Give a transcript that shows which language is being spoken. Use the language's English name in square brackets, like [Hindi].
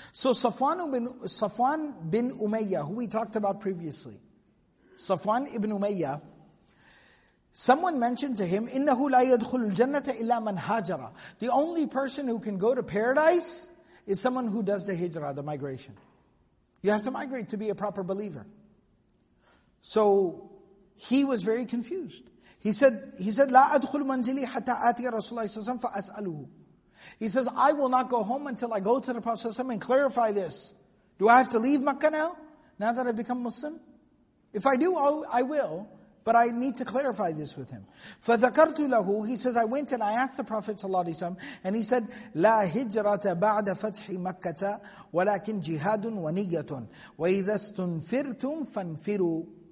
[English] So Safwan bin Umayyah, who we talked about previously, Safwan ibn Umayyah, someone mentioned to him, [Arabic] إِنَّهُ لَا يَدْخُلُ الْجَنَّةَ إِلَّا مَنْ هَاجَرَ. [English] The only person who can go to paradise is someone who does the hijrah, the migration. You have to migrate to be a proper believer. So he was very confused. He said, [Arabic] لَا أَدْخُلُ مَنْزِلِي حَتَّى آتِيَ رَسُولَ اللَّهِ صَلَّى اللَّهُ عَلَيْهِ وَسَلَّمَ فَأَسْأَلُهُ. [English] He says, I will not go home until I go to the Prophet ﷺ and clarify this. Do I have to leave Makkah now that I've become Muslim? If I do, I will, but I need to clarify this with him. [Arabic] فَذَكَرْتُ لَهُ. [English] He says, I went and I asked the Prophet ﷺ, and he said, [Arabic] لَا هِجْرَةَ بَعْدَ فَتْحِ مَكَّةَ وَلَكِنْ جِهَادٌ وَنِيَّةٌ وَإِذَا اسْتُنْفِرْتُمْ فَانْفِرُوا.